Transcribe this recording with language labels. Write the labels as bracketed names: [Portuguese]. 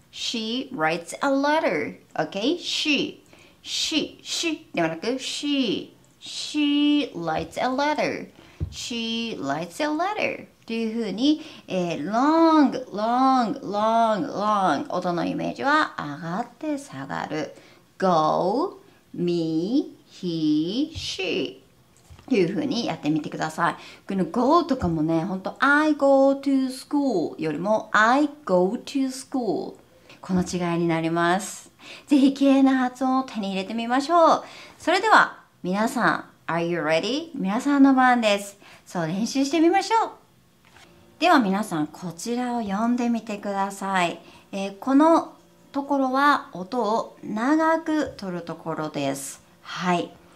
[English] She writes a letter. Okay, she, she, she [Japanese] ではなく [English] she, she writes a letter. She writes a letter. [Japanese] というふうに、 [English] long, long, long, long [Japanese] 音のイメージは上がって下がる。 [English] Go, me, he, she. [Japanese] というふうにやってみてください。この go とかもね、ほんと [English] I go to school [Japanese] よりも [English] I go to school。 [Japanese] この違いになります。ぜひ綺麗な発音を手に入れてみましょう。それでは皆さん、 [English] Are you ready? [Japanese] 皆さんの番です。そう、練習してみましょう。では皆さん、こちらを読んでみてください。このところは音を長く取るところです。はい。